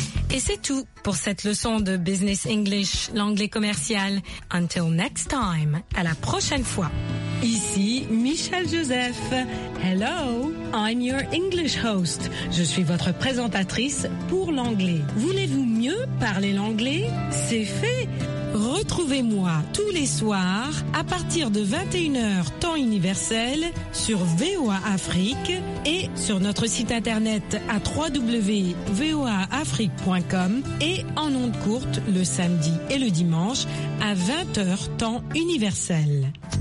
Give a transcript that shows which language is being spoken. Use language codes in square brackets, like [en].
[fr] Et c'est tout pour cette leçon de Business English, l'anglais commercial. [en] Until next time, [fr] à la prochaine fois. Ici Michel Joseph. [en] Hello, I'm your English host. [fr] Je suis votre présentatrice pour l'anglais. Voulez-vous mieux parler l'anglais? C'est fait. Retrouvez-moi tous les soirs à partir de 21h temps universel sur VOA Afrique et sur notre site internet à www.voaafrique.com et en ondes courtes le samedi et le dimanche à 20h temps universel.